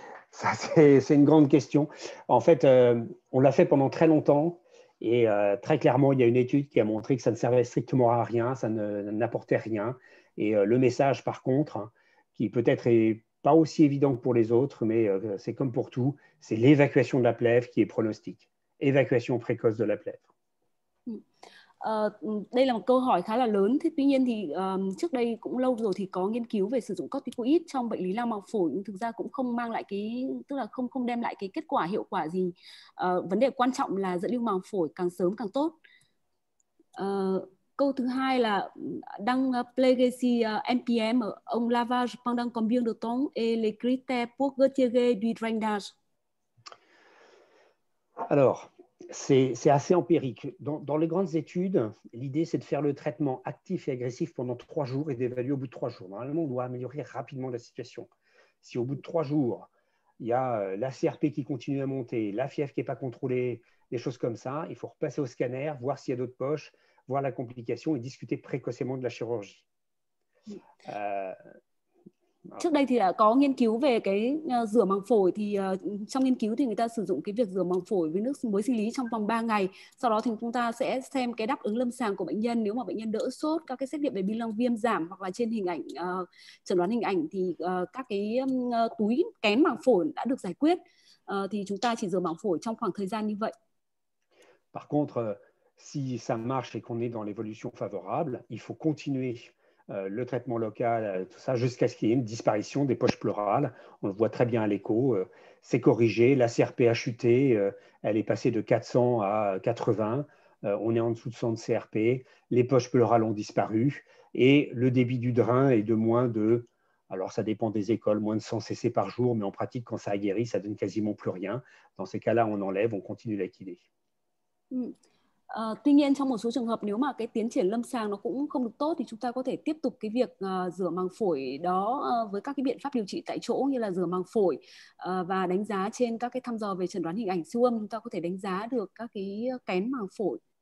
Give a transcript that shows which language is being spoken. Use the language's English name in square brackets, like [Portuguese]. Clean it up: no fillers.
[French] Ça, c'est une grande question. En fait, on l'a fait pendant très longtemps et très clairement, il y a une étude qui a montré que ça ne servait strictement à rien, ça n'apportait rien. Et le message, par contre, qui peut-être n'est pas aussi évident que pour les autres, mais c'est comme pour tout, c'est l'évacuation de la plèvre qui est pronostique. Évacuation précoce de la plèvre. [Vietnamese] Đây là một câu hỏi khá là lớn. Thế tuy nhiên thì trước đây cũng lâu rồi thì có nghiên cứu về sử dụng corticoid trong bệnh lý lao màng phổi, nhưng thực ra cũng không mang lại cái, tức là không đem lại cái kết quả hiệu quả gì. Vấn đề quan trọng là dẫn lưu màng phổi càng sớm càng tốt. Câu thứ hai là [French] đang plégési MPM ông lavage pendant combien de temps et les critères pour retirer du drainage. Alors, c'est assez empirique. Dans les grandes études, l'idée, c'est de faire le traitement actif et agressif pendant 3 jours et d'évaluer au bout de 3 jours. Normalement, on doit améliorer rapidement la situation. Si au bout de 3 jours, il y a la CRP qui continue à monter, la fièvre qui n'est pas contrôlée, des choses comme ça, il faut repasser au scanner, voir s'il y a d'autres poches, voir la complication et discuter précocement de la chirurgie. [Vietnamese] Trước đây thì đã có nghiên cứu về cái rửa màng phổi, thì trong nghiên cứu thì người ta sử dụng cái việc rửa màng phổi với nước muối sinh lý trong vòng 3 ngày. Sau đó thì chúng ta sẽ xem cái đáp ứng lâm sàng của bệnh nhân, nếu mà bệnh nhân đỡ sốt, các cái xét nghiệm về bi lăng viêm giảm, hoặc là trên hình ảnh, chẩn đoán hình ảnh thì các cái túi kén màng phổi đã được giải quyết, thì chúng ta chỉ rửa màng phổi trong khoảng thời gian như vậy. [French] Par contre, si ça marche et qu'on est dans l'évolution favorable, il faut continuer le traitement local, tout ça, jusqu'à ce qu'il y ait une disparition des poches pleurales. On le voit très bien à l'écho, c'est corrigé, la CRP a chuté, elle est passée de 400 à 80, on est en dessous de 100 de CRP, les poches pleurales ont disparu, et le débit du drain est de moins de, alors ça dépend des écoles, moins de 100 cc par jour, mais en pratique, quand ça a guéri, ça donne quasiment plus rien. Dans ces cas-là, on enlève, on continue la kiné. [Vietnamese] Tuy nhiên trong một số trường hợp nếu mà cái tiến triển lâm sàng nó cũng không được tốt thì chúng ta có thể tiếp tục cái việc rửa màng phổi đó với các cái biện pháp điều trị tại chỗ như là rửa màng phổi và đánh giá trên các cái thăm dò về chẩn đoán hình ảnh siêu âm, chúng ta có thể đánh giá được các cái kén màng phổi.